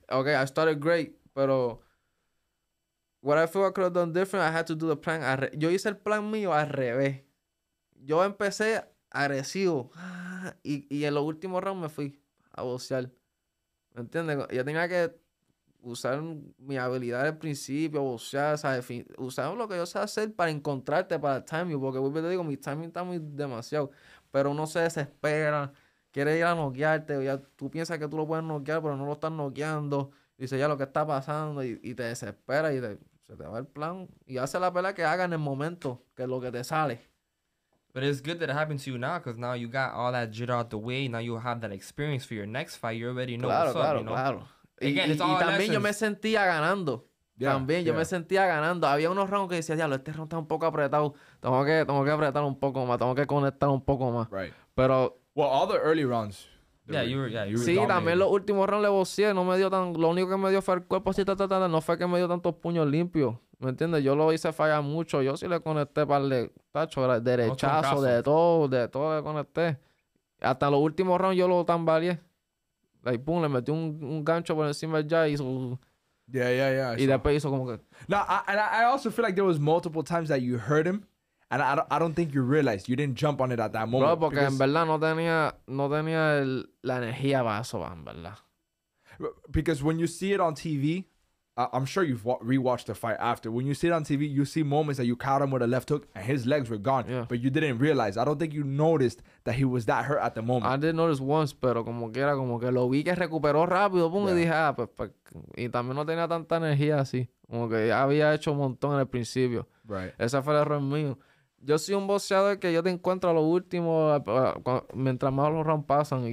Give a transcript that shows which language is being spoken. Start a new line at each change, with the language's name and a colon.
English: Okay, I started great,
Spanish: pero
English: what I feel I could have done different, I had to do the plan.
Spanish: Yo hice el plan mío al revés. Yo empecé agresivo y en los últimos rounds me fui a boxear. ¿Me entiendes? Yo tenía que usar mi habilidad al principio, usar lo que yo sé hacer para encontrarte, para el timing, porque vuelvo y te digo, mi timing está muy demasiado, pero uno se desespera, quiere ir a noquearte, ya tú piensas que tú lo puedes noquear, pero no lo estás noqueando, dice ya lo que está pasando, y te desespera, y se te va el plan, y hace la pelea que haga en el momento, que es lo que te sale.
English: But it's good that it happened to you now, because now you got all that jitter out the way, now you have that experience for your next fight, you already know
Spanish: claro,
English: what's up,
Spanish: claro,
English: you know?
Spanish: Claro.
English: Again, it's all
Spanish: también
English: lessons.
Spanish: Yo me sentía ganando. Yeah, también yo me sentía ganando. Había unos rounds que decía, diablo, este round está un poco apretado. Tengo que apretar un poco más. Tengo que conectar un poco más.
English: Right.
Spanish: Pero...
English: Well, all the early rounds. Yeah, you were
Spanish: sí,
English: dominating.
Spanish: También los últimos rounds le boceé. No me dio tan... Lo único que me dio fue el cuerpo así, no fue que me dio tantos puños limpios. ¿Me entiendes? Yo lo hice fallar mucho. Yo sí le conecté para el tacho, derechazo, de todo le conecté. Hasta los últimos rounds yo lo tambaleé. Ahí, pum, le metí un gancho por encima ya y hizo...
English: Yeah.
Spanish: Y después hizo como que...
English: Now, I also feel like there was multiple times that you hurt him. And I don't think you realized. You didn't jump on it at that moment.
Spanish: Bro, porque
English: because...
Spanish: en verdad no tenía la energía para eso, en verdad.
English: Because when you see it on TV, I'm sure you've rewatched the fight after. When you see it on TV, you see moments that you caught him with a left hook and his legs were gone. Yeah. But you didn't realize. I don't think you noticed that he was that hurt at the moment. I didn't notice once,
Spanish: pero como que era como que lo vi que recuperó rápido. Boom, yeah. Y dije, y también no tenía tanta energía así. Como que ya había hecho un montón en el principio.
English: Right.
Spanish: Ese fue el error mío. Yo soy un boxeador que yo te encuentro a lo último mientras más los rounds pasan.